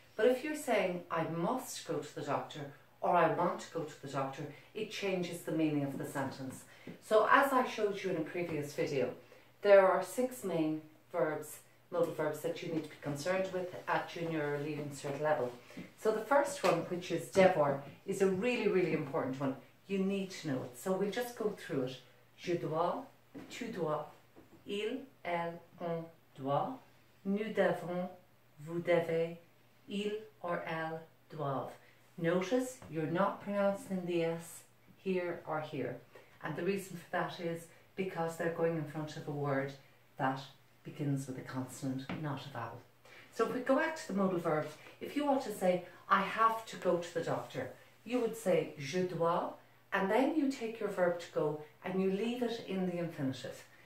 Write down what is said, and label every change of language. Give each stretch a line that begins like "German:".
English: But if you're saying, I must go to the doctor, or I want to go to the doctor, it changes the meaning of the sentence. So as I showed you in a previous video, there are six main verbs, modal verbs, that you need to be concerned with at junior or leaving cert level. So the first one, which is devoir, is a really, really important one. You need to know it. So we'll just go through it.
French: Je dois, tu dois, il, elle, on doit, nous devons, vous devez, il or elle doivent.
English: Notice you're not pronouncing the S here or here. And the reason for that is because they're going in front of a word that begins with a consonant, not a vowel. So if we go back to the modal verb, if you want to say, I have to go to the doctor, you would say,
French: je dois,
English: and then you take your verb to go and you leave it in the infinitive.